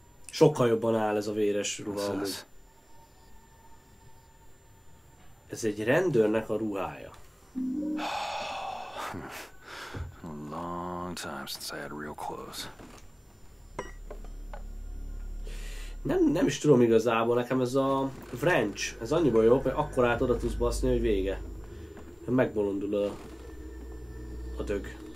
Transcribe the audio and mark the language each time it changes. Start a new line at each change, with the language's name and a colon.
Hungarian: Sokkal jobban áll ez a véres ruha. Ez Ez egy rendőrnek a ruhája.
English: A long time since I had real clothes.
Hungarian: Nem is tudom igazából, nekem ez a French, ez annyiból jobb, hogy akkor át oda tudsz baszni, hogy vége. Megbolondul a dög.